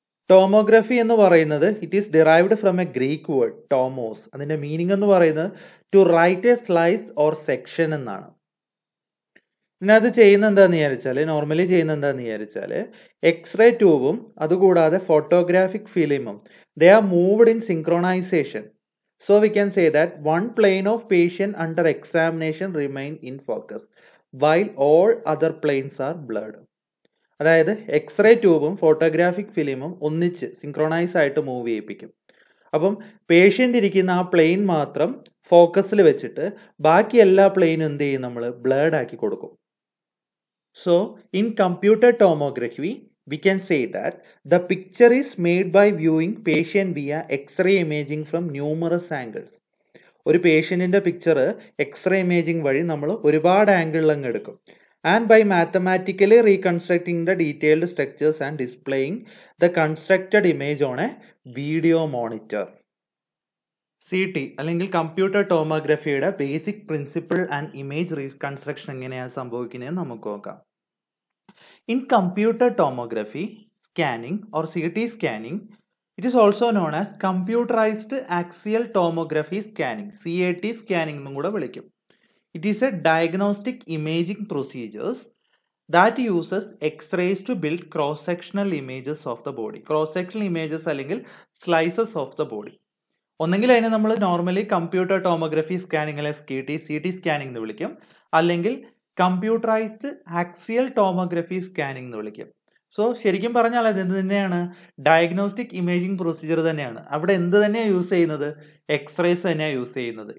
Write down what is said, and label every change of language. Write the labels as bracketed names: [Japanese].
[English] tomography [Malayalam] എന്ന് പറയുന്നത്, [English] It is derived from a Greek word tomos. [Malayalam] അതിൻ്റെ മീനിങ് എന്ന് പറയുന്നത് [English] to write a slice or section [Malayalam] എന്നാണ്. പിന്നെ അത് ചെയ്യുന്ന എന്താണെന്ന് വിചാരിച്ചാൽ, നോർമലി ചെയ്യുന്ന എന്താണെന്ന് വിചാരിച്ചാൽ, എക്സ്റേ ട്യൂബും അതുകൂടാതെ photographic ഫിലിമും [English] They are moved in synchronisation. So we can say that one plane of patient under examination remain in focus while all other planes are blurred. [Malayalam] അതായത് എക്സ്റേ ട്യൂബും ഫോട്ടോഗ്രാഫിക് ഫിലിമും ഒന്നിച്ച് സിൻക്രോണൈസ് ആയിട്ട് മൂവ് ചെയ്യിപ്പിക്കും. അപ്പം പേഷ്യൻ്റ് ഇരിക്കുന്ന ആ പ്ലെയിൻ മാത്രം ഫോക്കസിൽ വെച്ചിട്ട് ബാക്കി എല്ലാ പ്ലെയിനും എന്ത് ചെയ്യും, നമ്മൾ ബ്ലേർഡ് ആക്കി കൊടുക്കും. [English] So in computer tomography we can say that the picture is made by viewing patient via x-ray imaging from numerous angles. [Malayalam] ഒരു പേഷ്യൻറ്റിൻ്റെ പിക്ചർ എക്സ്റേ ഇമേജിങ് വഴി നമ്മൾ ഒരുപാട് ആംഗിളിൽ അങ്ങ് എടുക്കും. [English] And by mathematically reconstructing the detailed structures and displaying the constructed image on a video monitor. [Malayalam] C T അല്ലെങ്കിൽ computer ടോമോഗ്രഫിയുടെ basic principle and image reconstruction എങ്ങനെയാണ് സംഭവിക്കുന്നതെന്ന് നമുക്ക് നോക്കാം. [English] In computer tomography scanning or CT scanning, it is also known as computerized axial tomography scanning, CAT scanning [Malayalam] ennum kuda vilikkum. [English] It is a diagnostic imaging procedures that uses x-rays to build cross sectional images of the body, cross sectional images allengil slices of the body. [Malayalam] ഒന്നെങ്കിൽ അതിനെ നമ്മൾ normally computer tomography scanning അല്ലെ C T C T scanning എന്ന് വിളിക്കും, അല്ലെങ്കിൽ computerised axial tomography scanning എന്ന് വിളിക്കും. So ശരിക്കും പറഞ്ഞാൽ അത് എന്ത് തന്നെയാണ്, ഡയഗ്നോസ്റ്റിക് ഇമേജിംഗ് പ്രൊസീജിയർ തന്നെയാണ്. അവിടെ എന്ത് തന്നെയാണ് യൂസ് ചെയ്യുന്നത്, എക്സ്റേസ് തന്നെയാണ് യൂസ് ചെയ്യുന്നത്.